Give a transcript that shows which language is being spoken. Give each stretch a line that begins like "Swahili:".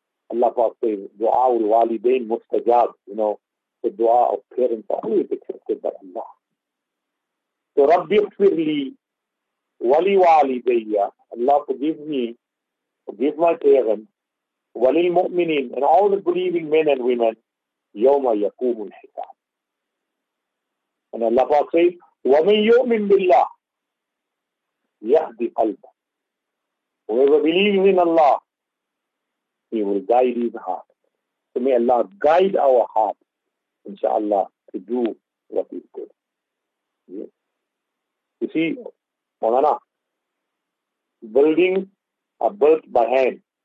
English: Allah Ta'ala says,
Arabic: dua ul walidain mustajab,
English: you know, the dua of parents are always accepted by Allah. So,
Arabic: Rabbi Firli, wali walidayya,
English: Allah forgive me, forgive my parents,
Arabic: walil mu'minin,
English: and all the believing men and women,
Arabic: yawma yakumul hisab.
English: And Allah Ta'ala says,
Arabic: وَمِنْ يُؤْمِنْ بِاللَّهِ يَهْدِ قَلْبًا.
English: Whoever believes in Allah, He will guide his heart. So may Allah guide our heart, inshallah, to do what is good. Yes. You see, Maulana, buildings are built by hand.